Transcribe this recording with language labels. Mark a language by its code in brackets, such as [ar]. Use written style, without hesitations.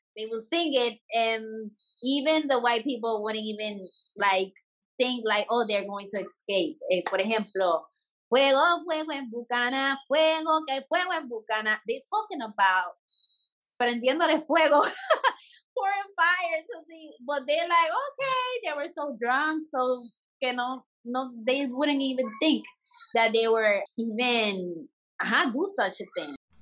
[en] They will sing it, and even the white people wouldn't even, like, think, like, oh, they're going to escape. [es] For example, fuego, fuego en Bucana, fuego, que fuego en Bucana. [en] They're talking about [es] prendiéndole fuego, [en] pouring fire to the, but they're like, okay, they were so drunk, so, you know, no, they wouldn't even think that they were even, do such a thing.